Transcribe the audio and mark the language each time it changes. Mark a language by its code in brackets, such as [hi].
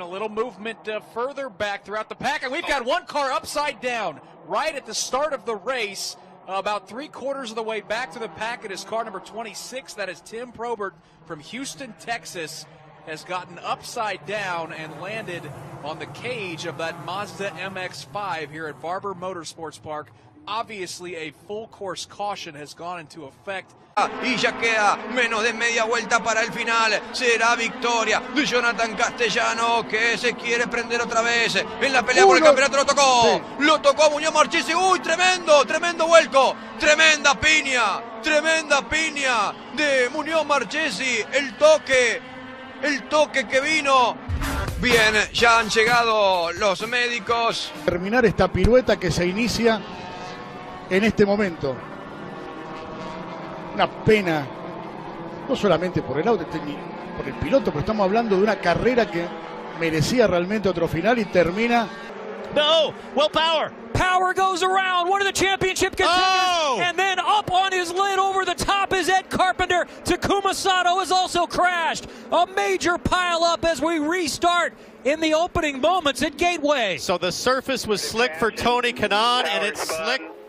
[en] a little movement further back throughout the pack, and we've got one car upside down right at the start of the race, about three quarters of the way back to the pack. It is car number 26. That is Tim Probert from Houston, Texas, has gotten upside down and landed on the cage of that Mazda MX-5 here at Barber Motorsports Park. Obviously, a full course caution has gone into effect. [es] Y ya queda menos de media vuelta para el final. Será victoria de Jonathan Castellano, que se quiere prender otra vez en la pelea por el campeonato. Lo tocó. Sí. Lo tocó Muñoz Marchese. Uy, tremendo, tremendo vuelco. Tremenda piña de Muñoz Marchese. El toque que vino. Bien, ya han llegado los médicos. Terminar esta pirueta que se inicia en este momento. Una pena, no solamente por el auto, ni por el piloto, pero estamos hablando de una carrera que merecía realmente otro final y termina. [en] No, Will Power. Power goes around, one of the championship contenders. And then up on his lid over the top is Ed Carpenter. Takuma Sato has also crashed. A major pile up as we restart in the opening moments at Gateway. So the surface was slick for Tony Kanaan, and it's slick.